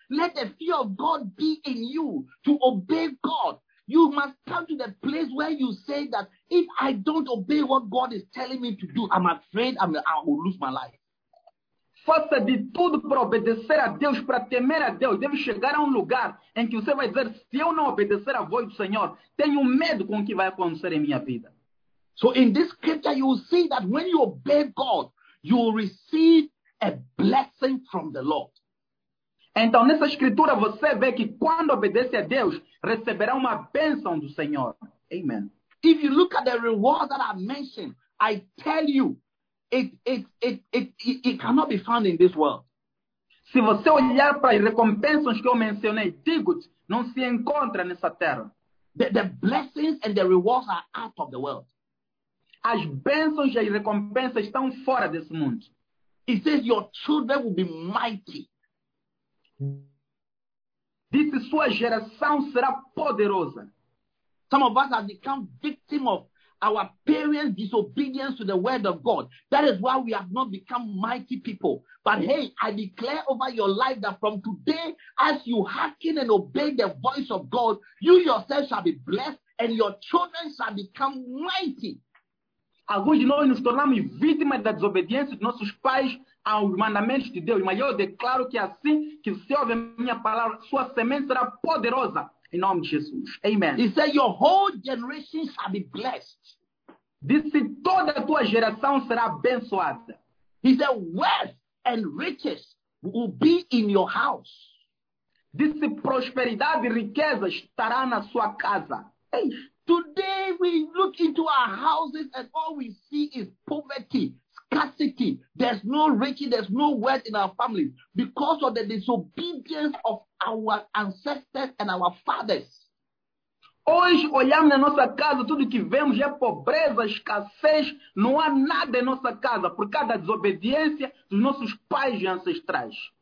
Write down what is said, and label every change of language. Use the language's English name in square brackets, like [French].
[English] Let the fear of God be in you to obey God. You must come to the place where you say that if I don't obey what God is telling me to do, I'm afraid I will lose my life. [Portuguese] Faça de tudo para obedecer a Deus, para temer a Deus. Deve chegar a lugar em que você vai dizer, se eu não obedecer a voz do Senhor, tenho medo com o que vai acontecer em minha vida. [English] So in this scripture, you will see that when you obey God, you will receive a blessing from the Lord. [Portuguese] Então, nessa escritura, você vê que quando obedece a Deus, receberá uma bênção do Senhor. Amen. [English] If you look at the reward that I mentioned, I tell you, it cannot be found in this world. [Portuguese] Se você olhar para as recompensas que eu mencionei, digo-te, não se encontra nessa terra. [English] The blessings and the rewards are out of the world. [Portuguese] As bênçãos e as recompensas estão fora desse mundo. [English] It says your children will be mighty. [Portuguese] Disse, sua geração será poderosa. [English] Some of us have become victim of our parents' disobedience to the word of God. That is why we have not become mighty people. But hey, I declare over your life that from today, as you hearken and obey the voice of God, you yourself shall be blessed and your children shall become mighty. [Portuguese] Alguns de nós nos tornamos vítimas da desobediência de nossos pais aos mandamentos de Deus. Mas eu declaro que assim que você ouve a minha palavra, sua semente será poderosa em nome de Jesus. Amen. [English] He said, your whole generation shall be blessed. [Portuguese] Disse, toda a tua geração será abençoada. [English] He said, wealth and riches will be in your house. [Portuguese] Disse, prosperidade e riqueza estará na sua casa. [English] Hey. Today we look into our houses and all we see is poverty, scarcity. There's no riches, there's no wealth in our families because of the disobedience of our ancestors and our fathers. [Portuguese] Hoje, olhamos na nossa casa, tudo que vemos é pobreza, escassez. Não há nada em nossa casa por causa da desobediência dos nossos pais e ancestrais.